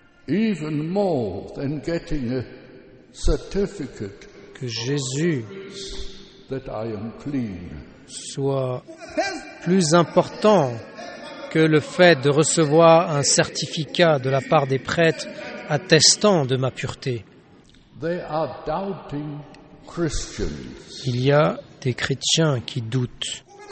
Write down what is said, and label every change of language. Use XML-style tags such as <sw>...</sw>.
<en>Even more than getting a certificate</en> <fr>que Jésus</fr> <en>that I am clean</en> <fr>soit plus important que le fait de recevoir un certificat de la part des prêtres attestant de ma pureté.</fr> <en>They are doubting Christians.</en> <fr>Il y a des chrétiens qui doutent.</fr>